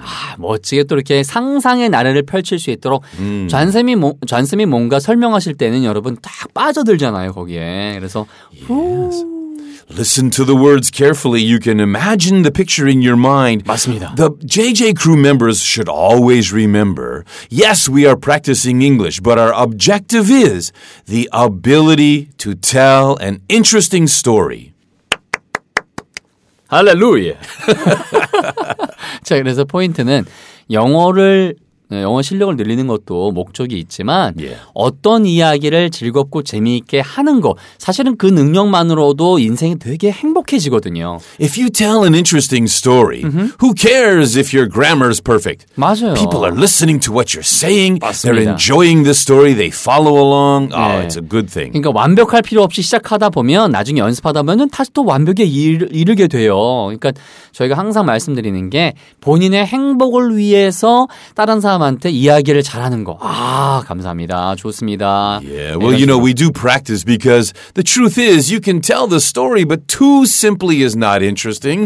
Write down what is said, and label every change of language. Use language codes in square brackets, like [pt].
[ko] 아, 멋지게 또 이렇게 상상의 나래를 펼칠 수 있도록 전쌤이 뭔가 설명하실 때는 여러분 딱 빠져들잖아요, 거기에. 그래서, [en] yes. Listen to the words carefully. You can imagine the picture in your mind. [ko] 맞습니다. [en] The JJ crew members should always remember, yes, we are practicing English, but our objective is the ability to tell an interesting story. Hallelujah. [ko] 자, 그래서 포인트는 영어 실력을 늘리는 것도 목적이 있지만 [en] yeah. [ko] 어떤 이야기를 즐겁고 재미있게 하는 거 사실은 그 능력만으로도 인생이 되게 행복해지거든요. [en] If you tell an interesting story, mm-hmm. who cares if your grammar is perfect? [ko] 맞아요. [en] People are listening to what you're saying. [ko] 맞습니다. [en] They're enjoying the story. They follow along. 네. Oh, it's a good thing. [ko] 그러니까 완벽할 필요 없이 시작하다 보면 나중에 연습하다 보면 다시 또 완벽에 이르게 돼요. 그러니까 저희가 항상 말씀드리는 게 본인의 행복을 위해서 다른 사람한테 이야기를 잘하는 거. 아, 감사합니다. 좋습니다. [en] Yeah, well, you know, we do practice because the truth is you can tell the story, but too simply is not interesting.